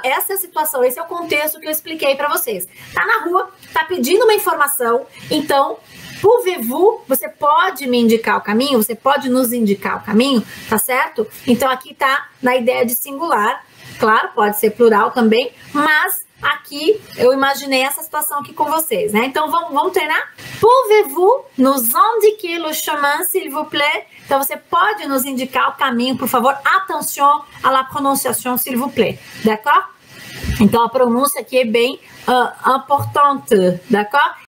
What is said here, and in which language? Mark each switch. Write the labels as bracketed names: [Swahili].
[Portuguese] Essa é a situação, esse é o contexto que eu expliquei para vocês. Tá na rua, tá pedindo uma informação. Então, pouvez-vous, você pode me indicar o caminho? Você pode nos indicar o caminho? Tá certo? Então, aqui tá na ideia de singular. Claro, pode ser plural também, mas aqui eu imaginei essa situação aqui com vocês, né? Então vamos treinar? [French] Pouvez-vous nous indiquer le chemin, s'il vous plaît? [Portuguese] Então você pode nos indicar o caminho, por favor? [French] Attention à la prononciation, s'il vous plaît. [Portuguese] D'accord? Então a pronúncia aqui é bem importante, d'accord?